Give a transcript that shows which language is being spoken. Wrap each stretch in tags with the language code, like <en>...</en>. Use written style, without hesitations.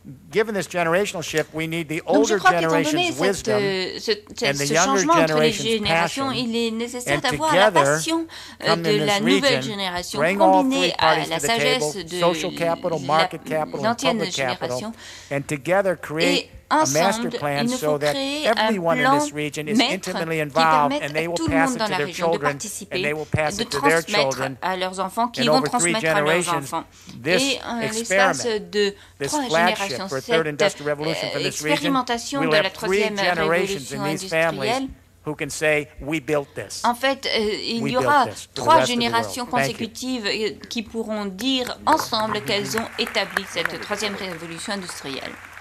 <en>Given this generational shift, we need the older generation's wisdom and the younger generation's passion.</en> <fr>Il est nécessaire d'avoir la passion de la nouvelle génération combinée à la sagesse de l'ancienne génération.</fr> <en>And together create a master plan so that everyone in this region is intimately involved and they will pass it to their children and they will pass it to their children</en> <fr>à leurs enfants qui vont transmettre à leurs enfants. Et en l'espace de trois générations, cette expérimentation de la troisième révolution industrielle.</fr> <en>Who can say, we built this.</en> <fr>En fait, il y aura trois générations consécutives qui pourront dire ensemble qu'elles ont établi cette troisième révolution industrielle.</fr>